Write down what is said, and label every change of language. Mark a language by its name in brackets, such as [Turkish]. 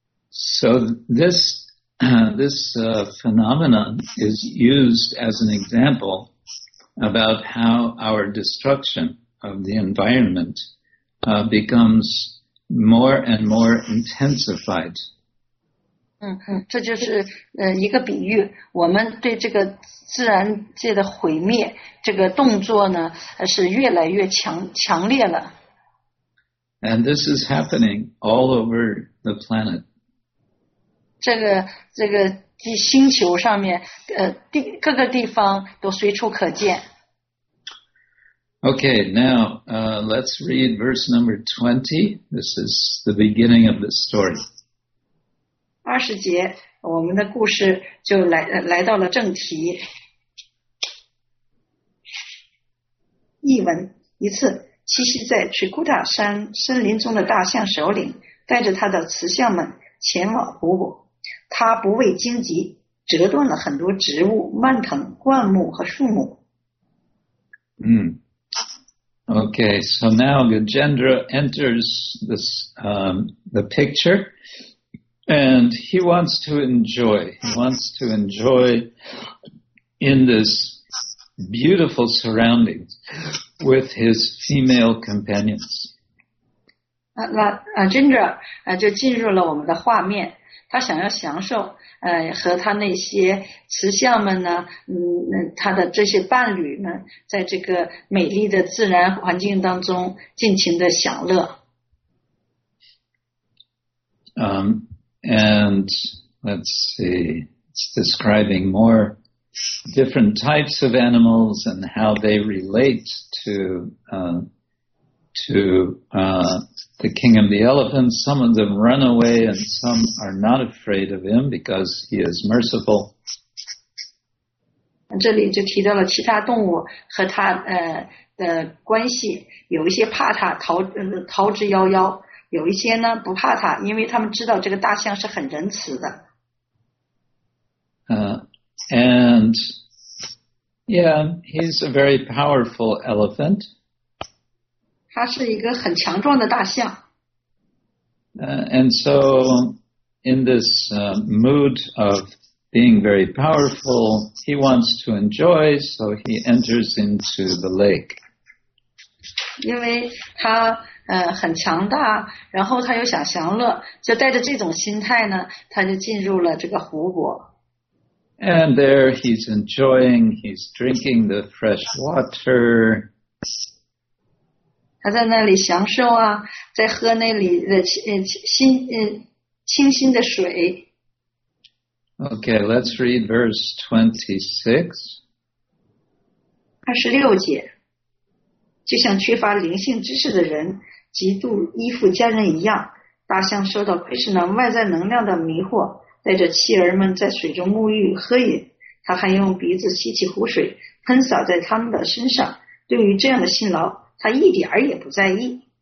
[English] So this phenomenon is used as an example. About how our destruction of the environment becomes more and more intensified. [Chinese] 这就是一个比喻。我们对这个自然界的毁灭这个动作呢，是越来越强烈了。 [English] And this is happening all over the planet. [Chinese] 这个星球上面各个地方都随处可见。 [English] Okay, now let's read verse number 20. This is the beginning of the story. [Chinese] 二十节，我们的故事就来到了正题。译文：一次，栖息在曲库塔山森林中的大象首领带着他的雌象们前往湖泊，他不畏荆棘，折断了很多植物、蔓藤、灌木和树木。 [English] Okay, so now Gajendra enters this, the picture, and he wants to enjoy in this beautiful surroundings with his female companions. [Chinese] Gajendra, 就进入了我们的画面，他想要享受，和他那些雌象们呢，他的这些伴侣们，在这个美丽的自然环境当中尽情的享乐。 [English] And let's see, it's describing more different types of animals and how they relate to the king of the elephants. Some of them run away and some are not afraid of him because he is merciful. [Chinese] 这里就提到了其他动物和它的关系，有一些怕它逃之夭夭，有一些呢不怕它，因为他们知道这个大象是很仁慈的。 [English] He's a very powerful elephant. [Chinese] 他是一个很强壮的大象。 [English] And so, in this mood of being very powerful, he wants to enjoy, so he enters into the lake. [Chinese] 因为他很强大，然后他又想享乐，就带着这种心态呢，他就进入了这个湖泊。 [English] And there he's enjoying, he's drinking the fresh water. [Chinese] 他在那里享受啊，在喝那里的清新的水。 [English] Okay, let's read verse 26. [Chinese] 26节，就像缺乏灵性知识的人极度依附家人一样，大象受到奎什那外在能量的迷惑，带着妻儿们在水中沐浴喝饮，他还用鼻子吸起湖水喷洒在他们的身上，对于这样的辛劳他一点儿也不在意。